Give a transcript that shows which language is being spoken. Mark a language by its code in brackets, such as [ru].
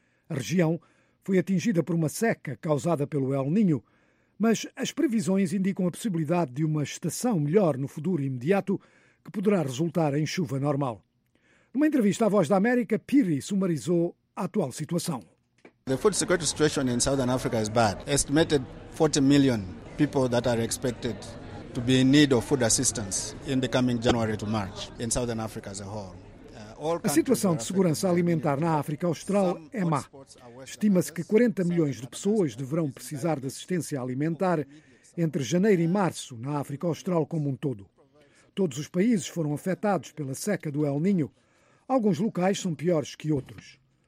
[pt] A região foi atingida por uma seca causada pelo El Niño, mas as previsões indicam a possibilidade de uma estação melhor no futuro imediato que poderá resultar em chuva normal. Numa entrevista à Voz da América, Piri sumarizou a atual situação. [en] The food security situation in Southern Africa is bad. Estimated 40 million people that are expected to be in need of food assistance in the coming January to March in Southern Africa as a whole. [pt] A situação de segurança alimentar na África Austral é má. Estima-se que 40 milhões de pessoas deverão precisar de assistência alimentar entre janeiro e março na África Austral como um todo. Todos os países foram afetados pela seca do El Niño. Alguns locais são piores que outros.